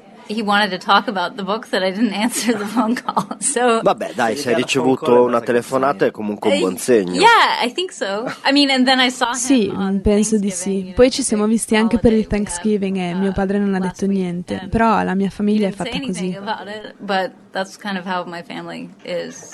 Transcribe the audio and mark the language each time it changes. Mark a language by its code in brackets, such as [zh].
[en] He wanted to talk about the book that I didn't answer the phone call. So [it] vabbè, dai, se hai ricevuto una telefonata è comunque un buon segno. [en] Yeah, I think so. I mean, and then I saw him. [it] Sì, penso di sì. Poi ci siamo visti anche per il Thanksgiving e mio padre non ha detto niente, però la mia famiglia è fatta così. [en] But that's kind of how my family is.